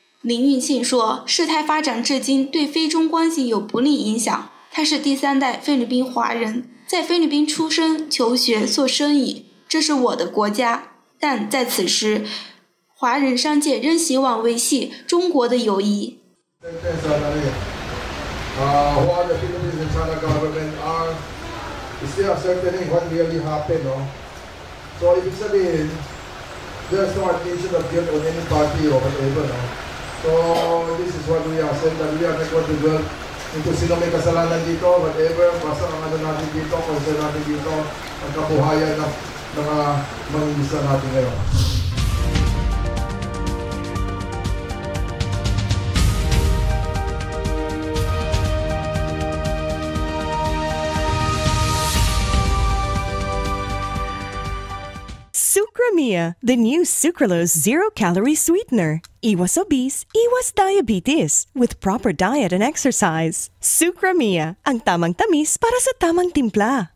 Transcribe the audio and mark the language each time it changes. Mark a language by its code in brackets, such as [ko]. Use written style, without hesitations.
[zh] 林运庆说，事态发展至今对非中关系有不利影响，他是第三代菲律宾华人，在菲律宾出生求学做生意，这是我的国家，但在此时华人商界仍希望维系中国的友谊。 [en] While the Philippines and China government are still ascertaining what really happened, no? So if you say there's no admission of guilt on any party or whatever, no? So this is what we are saying, that we are not going to build into [tl] sino may kasalanan dito, whatever, basta ang ano natin dito, concern natin dito, ang kabuhayan ng mag-iisa natin ngayon. [en] Mia, the new sucralose zero-calorie sweetener. [tl] Iwas obese, iwas diabetes, [en] with proper diet and exercise. [tl] Sucramia, ang tamang tamis para sa tamang timpla.